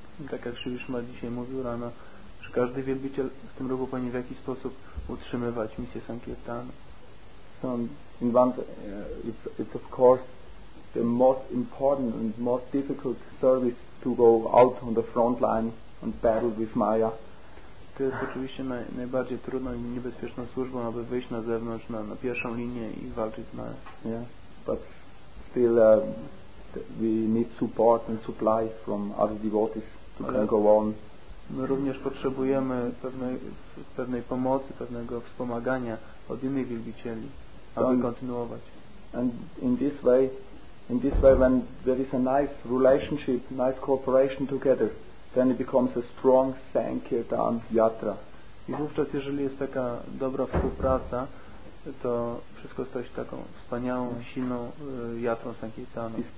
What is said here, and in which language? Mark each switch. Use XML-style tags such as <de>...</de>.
<pl>Tak jak Vishnu Bhat dzisiaj mówił rano, każdy wielbiciel w tym roku powinien w jakiś sposób utrzymywać misję Sankirtana.</pl> <en>So in one, it's of course the most important and most difficult service to go out on the front line and battle with Maya.</en> <pl>To jest oczywiście najbardziej trudną i niebezpieczną służbą, aby wyjść na zewnątrz, na pierwszą linię i walczyć z Maya.</pl> <en>Yeah, but still we need support and supply from other devotees to can go on.</en> <pl>My również potrzebujemy pewnej pomocy, pewnego wspomagania od innych wielbicieli, aby kontynuować.</pl> <en>And in this way when there is a nice relationship, nice cooperation together, then it becomes a strong Sankirtan yatra.</en> <pl>I wówczas, jeżeli jest taka dobra współpraca, to wszystko staje się taką wspaniałą, silną jatrą Sankirtana.</pl>